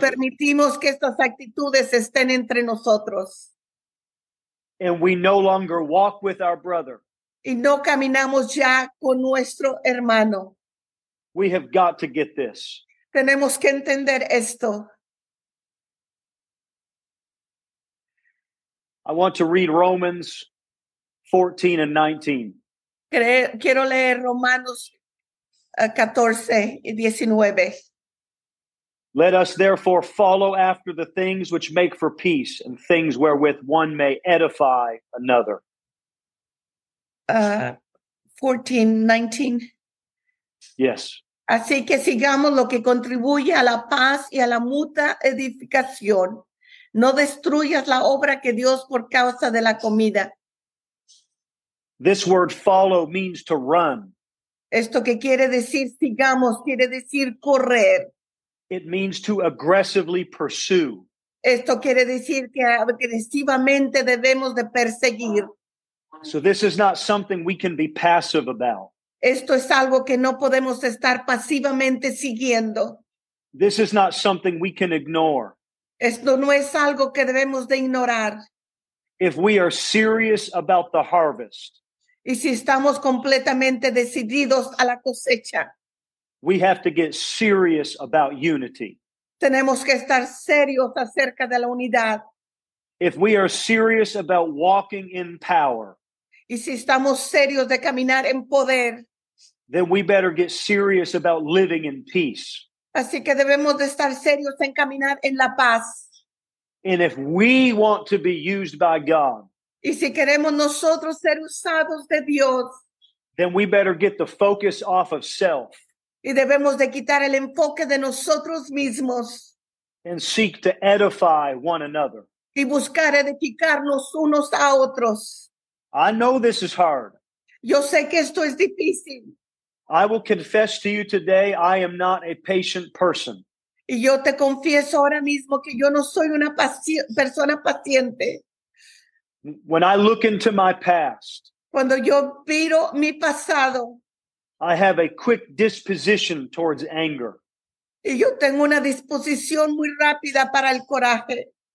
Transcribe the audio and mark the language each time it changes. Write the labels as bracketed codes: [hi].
[es] Permitimos que estas actitudes estén entre nosotros. [en] And we no longer walk with our brother. [es] Y no caminamos ya con nuestro hermano. [en] We have got to get this. [es] Tenemos que entender esto. [en] I want to read Romans 14 and 19. [es] Quiero leer Romanos 14 y 19. [en] Let us therefore follow after the things which make for peace and things wherewith one may edify another. 14:19. Yes. [es] Así que sigamos lo que contribuye a la paz y a la mutua edificación. No destruyas la obra que Dios por causa de la comida. [en] This word follow means to run. [es] Esto que quiere decir sigamos, quiere decir correr. [en] It means to aggressively pursue. [es] Esto quiere decir que agresivamente debemos de perseguir. [en] So this is not something we can be passive about. [es] Esto es algo que no podemos estar pasivamente siguiendo. [en] This is not something we can ignore. [es] Esto no es algo que debemos de ignorar. [en] If we are serious about the harvest. [es] Y si estamos completamente decididos a la cosecha. [en] We have to get serious about unity. [es] Tenemos que estar serios acerca de la unidad. [en] If we are serious about walking in power, [es] y si estamos serios de caminar en poder, [en] then we better get serious about living in peace. [es] Así que debemos de estar serios en caminar en la paz. [en] And if we want to be used by God, [es] y si queremos nosotros ser usados de Dios, [en] then we better get the focus off of self. [es] Y debemos de quitar el enfoque de nosotros mismos. [en] And seek to edify one another. [es] Y buscar edificarnos unos a otros. [en] I know this is hard. [es] Yo sé que esto es difícil. [en] I will confess to you today, I am not a patient person. [es] Y yo te confieso ahora mismo que yo no soy una persona paciente. [en] When I look into my past, [es] cuando yo miro mi pasado, [en] I have a quick disposition towards anger. [es] Y yo tengo una disposición muy rápida para el coraje.